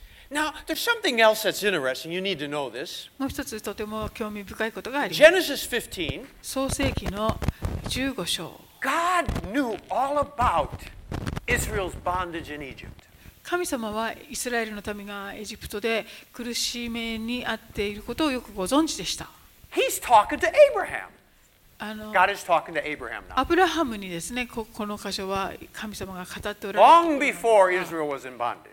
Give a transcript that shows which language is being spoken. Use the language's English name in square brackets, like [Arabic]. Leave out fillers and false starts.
[English] Now, there's something else that's interesting. You need to know this. [Japanese] もう一つとても興味深いことがあります [English] 。 Genesis 15. [Japanese] 創世記の15章。 [English] God knew all about Israel's bondage in Egypt. [Japanese] 神様はイスラエルの民がエジプトで苦しめにあっていることをよくご存知でした。 [English] He's talking to Abraham. God is talking to Abraham now. [Japanese] アブラハムにですね、この箇所は神様が語っておられ [English] る。Long before Israel was in bondage.